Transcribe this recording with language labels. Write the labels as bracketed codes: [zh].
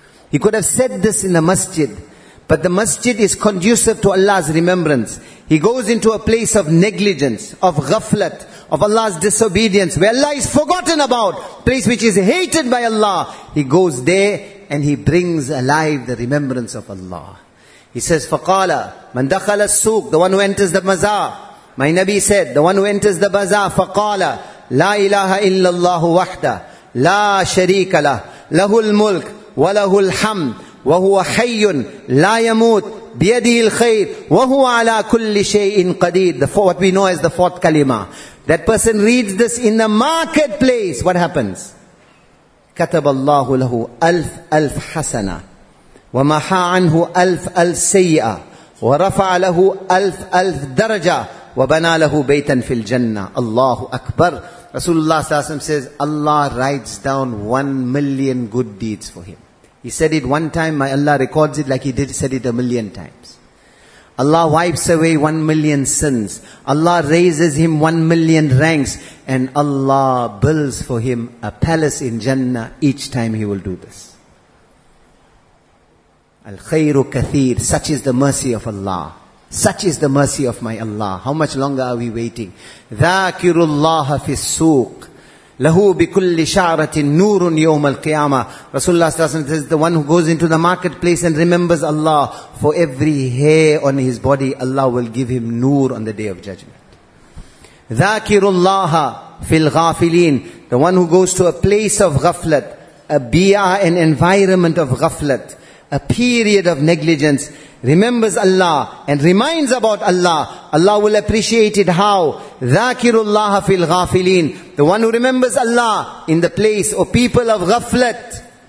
[en] He could have said this in the masjid. But the masjid is conducive to Allah's remembrance. He goes into a place of negligence, of ghaflat, of Allah's disobedience, where Allah is forgotten about, place which is hated by Allah. He goes there and he brings alive the remembrance of Allah. He says, [ar] فَقَالَ مَنْ دَخَلَ السُّوقِ. [en] The one who enters the bazaar. My Nabi said, the one who enters the bazaar, [ar] فَقَالَ لَا إِلَهَ إِلَّا اللَّهُ وَحْدَهُ لَا شَرِيكَ لَهُ لَهُ الْمُلْكِ وله الحمد وهو حي لا يموت بيده الخير وهو على كل شيء قدير. [en] What we know as the fourth kalima. That person reads this in the marketplace. What happens? [ar] كتب الله له ألف ألف حسنة ومحى عنه ألف ألف سيئة ورفع له ألف ألف درجة وبنى له بيتا في الجنة. الله أكبر. [en] Rasulullah sallallahu alaihi wasallam says, Allah writes down 1 million good deeds for him. He said it one time, my Allah records it like he did said it 1 million times. Allah wipes away 1 million sins. Allah raises him 1 million ranks. And Allah builds for him a palace in Jannah each time he will do this. [ar] Al-khayru kathir. [en] Such is the mercy of Allah. Such is the mercy of my Allah. How much longer are we waiting? [ar] ذاكروا الله في السوق له بكل شعرة نور يوم القيامة. [en] Rasulullah sallallahu alaihi wasallam says, the one who goes into the marketplace and remembers Allah, for every hair on his body, Allah will give him nur on the day of judgment. [ar] ذاكروا الله في الغافلين. [en] The one who goes to a place of ghaflat, a bi'ah, an environment of ghaflat, a period of negligence, remembers Allah and reminds about Allah, Allah will appreciate it. How? [ar] ذَاكِرُ اللَّهَ فِي الْغَافِلِينَ. [en] The one who remembers Allah in the place or people of ghaflat.